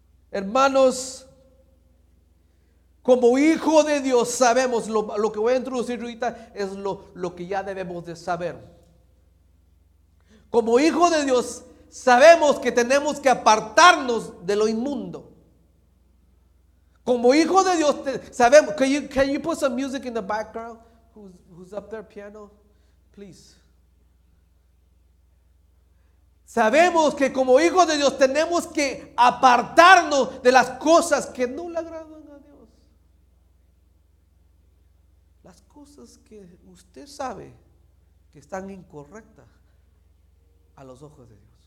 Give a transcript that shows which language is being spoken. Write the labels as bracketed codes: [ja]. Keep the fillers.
[es] Hermanos, como hijo de Dios sabemos, lo, lo que voy a introducir ahorita es lo, lo que ya debemos de saber. Como hijo de Dios sabemos que tenemos que apartarnos de lo inmundo. Como hijo de Dios te- sabemos. [en] Can you, can you put some music in the background? Who's, who's up there, piano? Please. [es] Sabemos que como hijos de Dios tenemos que apartarnos de las cosas que no le agradan a Dios. Las cosas que usted sabe que están incorrectas a los ojos de Dios.